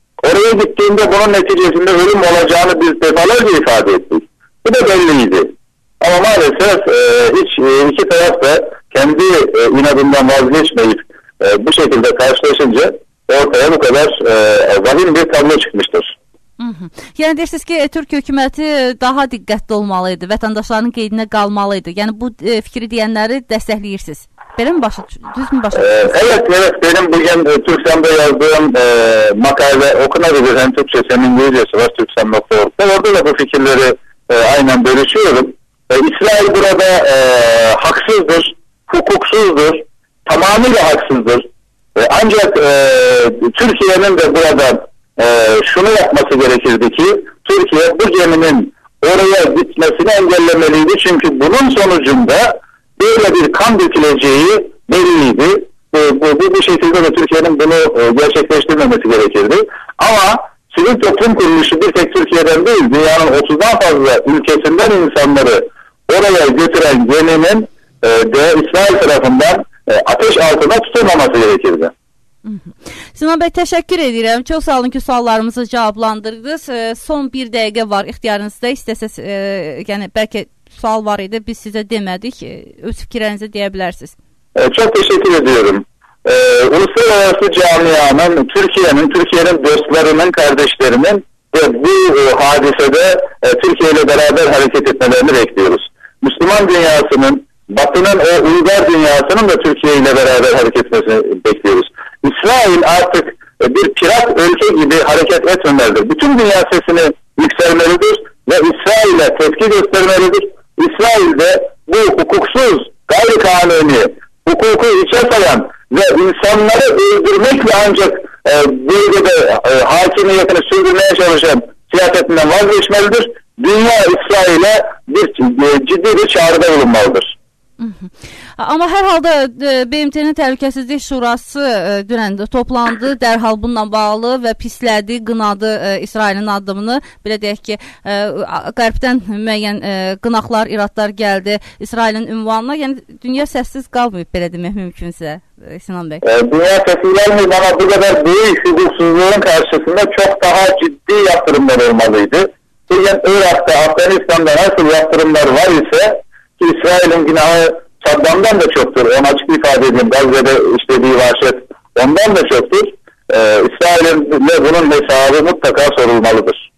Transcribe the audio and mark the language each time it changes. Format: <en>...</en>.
<tr>Oraya gittiğinde bunun neticesinde ölüm olacağını biz defalarca ifade ettik. Bu da belliydi. Ama maalesef iki taraf da kendi inadından vazgeçmeyip bu şekilde karşılaşınca ortaya bu kadar vahim bir tablo çıkmıştır.</tr> <az>Yani deyirsiniz ki, Türk hökuməti daha diqqətli olmalıydı, vətəndaşların qeydinə qalmalıydı. Yani bu fikri deyənləri dəstəkləyirsiniz. Belə mi başa düz mü başa düşürsünüz?</az> <tr>Evet, benim bugün Türksem'de yazdığım makale okunabilir. Hem Türkçe, hem İngilizcesi var, Türksem.org'da. Orada da bu fikirleri aynen bölüşüyorum. İsrail burada haksızdır, hukuksuzdur, tamamıyla haksızdır. Ancak Türkiye'nin de burada şunu yapması gerekirdi ki, Türkiye bu geminin oraya gitmesini engellemeliydi. Çünkü bunun sonucunda böyle bir kan döküleceği belliydi. Bu şekilde de Türkiye'nin bunu gerçekleştirmemesi gerekirdi. Ama sivil toplum kuruluşu bir tek Türkiye'den değil, dünyanın 30'dan fazla ülkesinden insanları oraya götüren geminin İsrail tarafından ateş altında tutulmaması gerekirdi.</tr> <az>Sinan Bey, təşəkkür edirəm. Çox sağ olun ki, suallarımızı cavablandırdınız. Son bir dəqiqə var ixtiyarınızda. İstəsəz, yəni bəlkə sual var idi, biz sizə demədik. Öz fikirlərinizi deyə bilərsiniz. Çox təşəkkür edirəm. Uluslararası camianın, Türkiyənin dostlarının, kardeşlerinin bu hadisədə Türkiyə ilə bərabər hareket etmələrini bəkləyiriz.</az> <tr>Müslüman dünyasının, Batının o uygar dünyasının da Türkiye ile beraber hareket etmesini bekliyoruz. İsrail artık bir pirat ülke gibi hareket etmemelidir. Bütün dünya sesini yükselmelidir ve İsrail'e tepki göstermelidir. İsrail de bu hukuksuz, gayri kanuni, hukuku içe sayan ve insanları öldürmekle ancak bölgede hakimiyetini sürdürmeye çalışan siyasetinden vazgeçmelidir. Dünya İsrail'e bir ciddi bir çağrıda bulunmalıdır.</tr> <az>Amma hər halda BMT-nin Təhlükəsizlik Şurası dünən toplandı, dərhal bununla bağlı və pislədi, qınadı İsrailin addımını. Belə deyək ki, Qərbdən müəyyən qınaqlar, iradlar gəldi İsrailin ünvanına. Yəni, dünya səssiz qalmayıb, belə demək mümkünsə, Sinan Bey. Dünya səssizlənməyib, amma bu qədər böyük hüquqsuzluğun qarşısında çox daha ciddi yatırımlar olmalı idi.</az> <tr>Deyən, Irak'da, Afganistan'da nasıl yatırımlar var isə, İsrail'in günahı Saddam'dan da çoktur. Onu açık ifade edeyim. Gazze'de işlediği vahşet ondan da çoktur. İsrail'in bunun hesabı mutlaka sorulmalıdır.</tr>